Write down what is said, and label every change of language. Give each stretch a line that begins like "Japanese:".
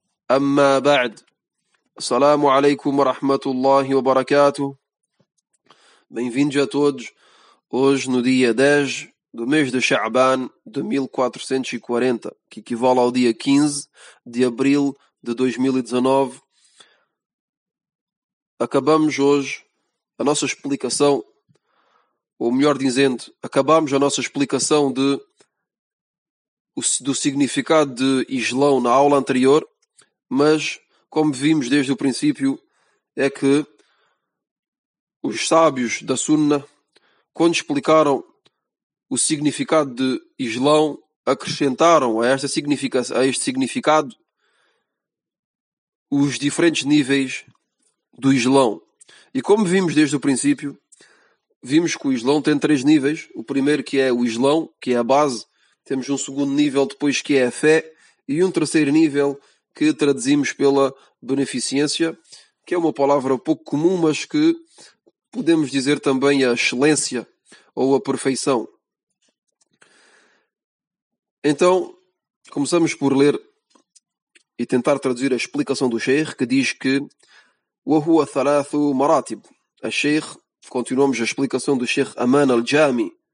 Arabic: أما بعد السلام عليكم ورحمة الله وبركاته
Portuguese: Bem-vindos a todos hoje no dia 10 do mês de Sha'ban de 1440, que equivale ao dia 15 de abril de 2019. Acabamos hoje a nossa explicação, ou melhor dizendo, acabamos a nossa explicação do significado de Islão na aula anterior, mas como vimos desde o princípio, é que os sábios da Sunna, quando explicaram o significado de Islão, acrescentaram a este significado os diferentes níveis do Islão. E como vimos desde o princípio, vimos que o Islão tem três níveis. O primeiro que é o Islão, que é a base. Temos um segundo nível depois que é a fé. E um terceiro nível que traduzimos pela beneficência, que é uma palavra pouco comum, mas que podemos dizer também a excelência ou a perfeição. Então, começamos por ler e tentar traduzir a explicação do Sheikh, que diz que
Arabic: وَهُوَ ثَلَاثُ مَرَاتِبُ
Portuguese: A Sheikh, continuamos a explicação do Sheikh Aman al-Jami